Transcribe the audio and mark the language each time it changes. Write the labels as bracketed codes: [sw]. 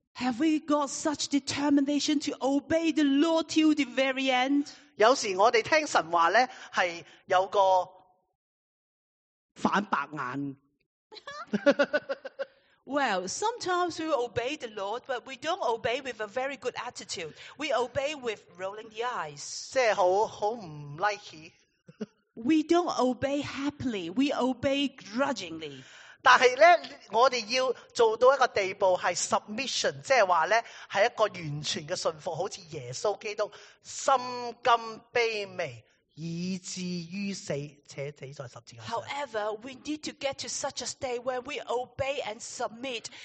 [en] Have we got such determination to obey the Lord till the very end? [zh] 有时我们听神话呢，是有个反白眼。 [en] Well, sometimes we obey the Lord, but we don't obey with a very good attitude. We obey with rolling the eyes. [zh] 即是很不like. [en] We don't obey happily. We obey grudgingly. [zh] 但是呢，我们要做到一个地步，是submission， 即是说呢，是一个完全的信服，好像耶稣基督，心甘卑微，以至于死，且死在十字架上。 [en] However, we need to get to such a state where we obey and submit.